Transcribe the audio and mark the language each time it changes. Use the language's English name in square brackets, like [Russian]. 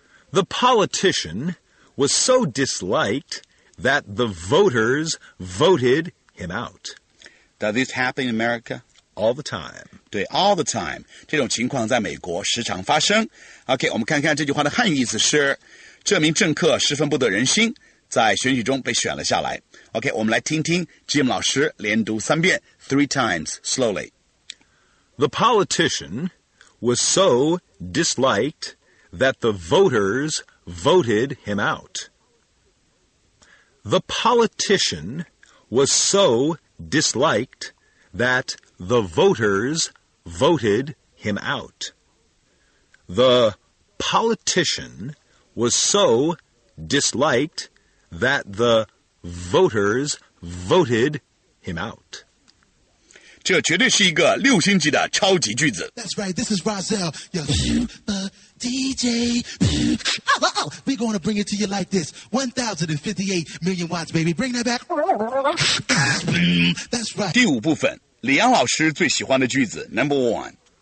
[English] The politician was so disliked that the voters voted him out. Does this happen in America? All the time. 对 all the time. [Chinese] 这种情况在美国时常发生。OK, 我们看看这句话的汉语意思是这名政客十分不得人心在选举中被选了下来。 OK, 我们来听听 Jim 老师连读三遍 [English] three times slowly. The politician was so disliked that the voters voted him out. The politician was so disliked that the voters voted him out. The politician was so disliked that the voters voted him out. [Chinese] 这绝对是一个六星级的超级句子。 [English] That's right, this is Rozell, your super DJ. We're going to bring it to you like this. 1,058 million watts, baby. Bring that back. That's right. [Chinese] 第五部分，李阳老师最喜欢的句子 , [English] Number one.